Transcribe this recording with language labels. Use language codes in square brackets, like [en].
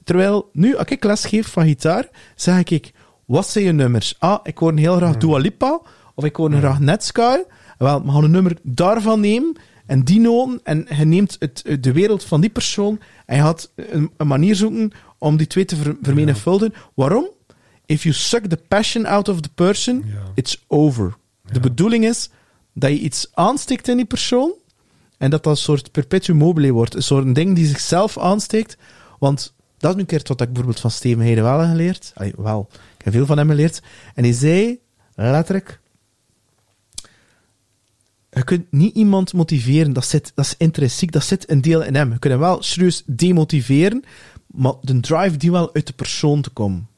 [nl] Terwijl nu, als ik les geef van gitaar, zeg ik, wat zijn je nummers? Ik hoor heel graag Dua Lipa, of ik hoor graag Netsky. Wel, we gaan een nummer daarvan nemen, en die noten, en je neemt de wereld van die persoon, en je gaat een manier zoeken om die twee te vermenigvuldigen. Ja. Waarom? [en] If you suck the passion out of the person, it's over. [nl] Ja. De bedoeling is dat je iets aanstikt in die persoon, en dat dat een soort perpetuum mobile wordt, een soort ding die zichzelf aansteekt, want dat is nu een keer wat ik bijvoorbeeld van Steven Heyde wel geleerd, ik heb veel van hem geleerd, en hij zei, letterlijk, je kunt niet iemand motiveren, dat is intrinsiek, dat zit een deel in hem. Je kunt hem wel serieus demotiveren, maar de drive die wel uit de persoon te komen.